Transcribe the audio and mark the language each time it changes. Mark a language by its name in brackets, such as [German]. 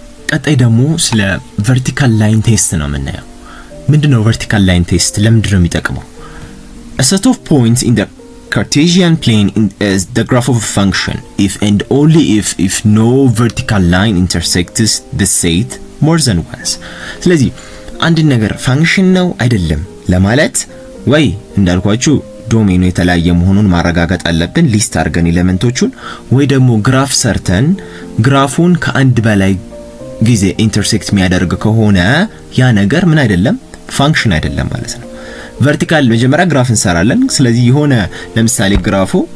[Amharic] ቀጣይ ደግሞ ስለ ቨርቲካል ላይን ቴስት ነው የምናየው። ምንድነው ቨርቲካል ላይን ቴስት? ለምንድን ነው የሚጠቅመው? [English] A set of points in the Cartesian plane is the graph of a function if and only if no vertical line intersects the set more than once. [Amharic] ስለዚህ አንድ ነገር function ነው አይደለም ለማለት ወይ እንዳልኳችሁ ዶሜኑ የተለያየ መሆኑን ማረጋጋት አለብን ሊስት አርገን ኤሌመንቶቹን ወይ ደግሞ ግራፍ ሰርተን ግራፉን ከአንድ በላይ ጊዜ ኢንተርሴክት የሚያደርግ ከሆነ ያ ነገር ምን አይደለም function አይደለም ማለት ነው። vertical መጀመሪያ ግራፍ እንሰራለን ስለዚህ ይሆነ ለምሳሌ ግራፉ